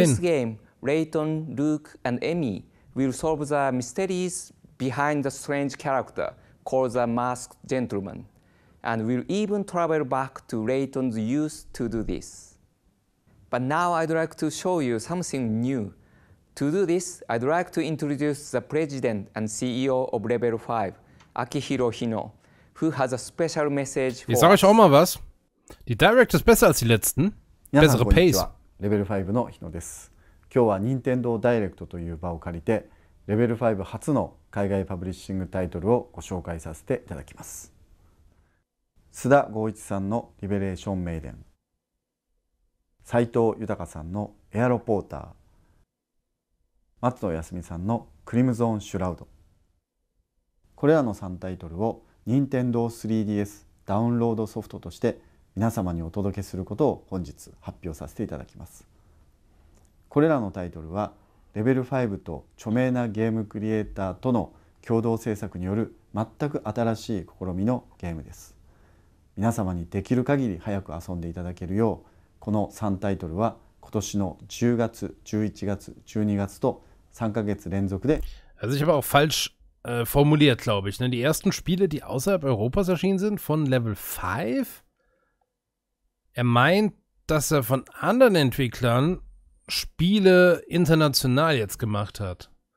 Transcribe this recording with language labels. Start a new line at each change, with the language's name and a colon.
English: This game, Layton, Luke and Emmy will solve the mysteries behind the strange character called the Masked Gentleman and will even travel back to Layton's youth to do this. But now I'd like to show you something new. To do this, I'd like to introduce the president and CEO of Level 5, Akihiro Hino, who has a special message for us.
German: Ich sag euch auch mal was. Die Direct ist besser als die letzten. Ja, bessere
Japanese: こんにちは. Pace. Level 5 の日野です。今日は Nintendo Direct という場を借りて、Level 5初の海外パブリッシングタイトルをご紹介させていただきます。須田剛一さんのリベレーション名伝、斉藤豊さんのエアロポーター、松野康美さんのクリムゾーンシュラウド。これらの3タイトルを Nintendo 3DS ダウンロードソフトとして皆様にお届けすることを本日発表させていただきます。これらのタイトルはレベル5と著名なゲームクリエイターとの共同制作による全く新しい試みのゲームです。皆様にできる限り早く遊んでいただけるよう、この3タイトルは今年の10月、11月、12月と3ヶ月連続で。
German: Also ich habe auch falsch formuliert, glaube ich. Die ersten Spiele, die außerhalb Europas erschienen sind, von Level 5? Er meint, dass er von anderen Entwicklern Spiele international jetzt gemacht hat.